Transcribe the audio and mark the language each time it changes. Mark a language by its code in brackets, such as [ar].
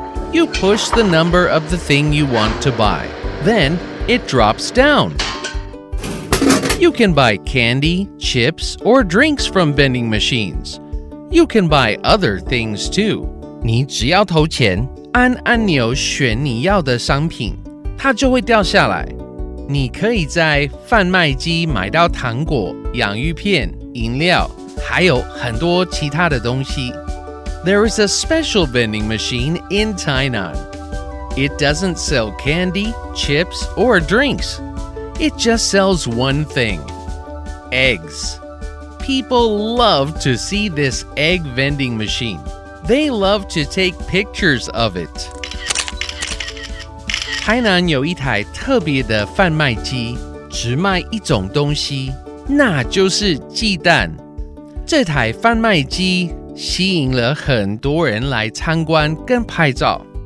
[en] You push the number of the thing you want to buy. Then it drops down. You can buy candy, chips, or drinks from vending machines. You can buy other things too. [zh] 你只要投钱，按按钮选你要的商品，它就会掉下来。你可以在贩卖机买到糖果、洋芋片、饮料，还有很多其他的东西。 [en] There is a special vending machine in Tainan. It doesn't sell candy, chips, or drinks. It just sells one thing, eggs. People love to see this egg vending machine. They love to take pictures of it. [zh] 台南有一台特别的贩卖机，只卖一种东西，那就是鸡蛋。这台贩卖机吸引了很多人来参观跟拍照。